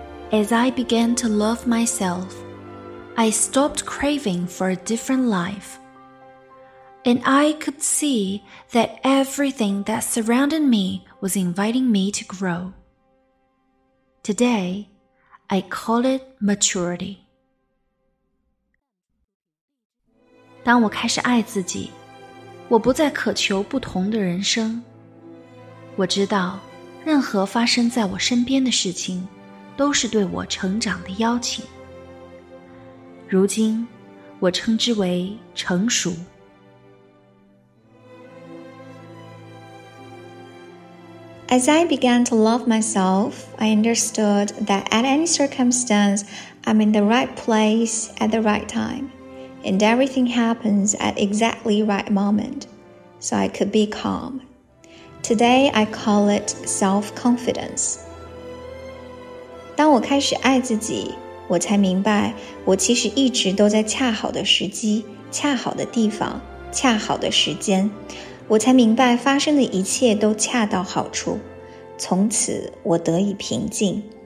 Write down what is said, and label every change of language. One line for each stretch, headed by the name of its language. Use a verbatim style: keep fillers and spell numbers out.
English: As I began to love myself,I stopped craving for a different life, and I could see that everything that surrounded me was inviting me to grow. Today, I call it maturity.
Chinese: 当我开始爱自己，我不再渴求不同的人生。我知道，任何发生在我身边的事情，都是对我成长的邀请。如今，我称之为成熟。
English: As I began to love myself, I understood that at any circumstance, I'm in the right place at the right time, and everything happens at exactly right moment, so I could be calm. Today, I call it self-confidence.
Chinese: 当我开始爱自己，我才明白，我其实一直都在恰好的时机、恰好的地方、恰好的时间。我才明白，发生的一切都恰到好处。从此，我得以平静。